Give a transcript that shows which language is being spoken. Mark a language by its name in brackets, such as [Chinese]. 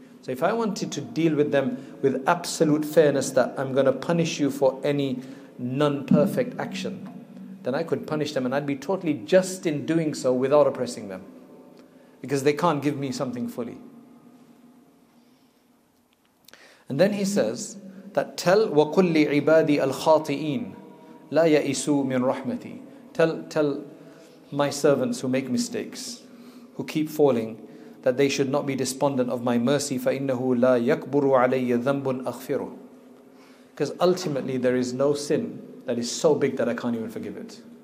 [English] So if I wanted to deal with them with absolute fairness, that I'm going to punish you for any non-perfect action, then I could punish them and I'd be totally just in doing so without oppressing them, because they can't give me something fully. And then he says that tell [Arabic] وَقُلْ لِعِبَادِي الْخَاطِئِينَ لَا يَئِسُوا مِنْ رَحْمَتِي. [English] Tell my servants who make mistakes, who keep falling, that they should not be despondent of my mercy. [Arabic] فَإِنَّهُ لَا يَكْبُرُ عَلَيَّ ذَنْبٌ أَغْفِرُهُ. [English] Because ultimately there is no sin that is so big that I can't even forgive it.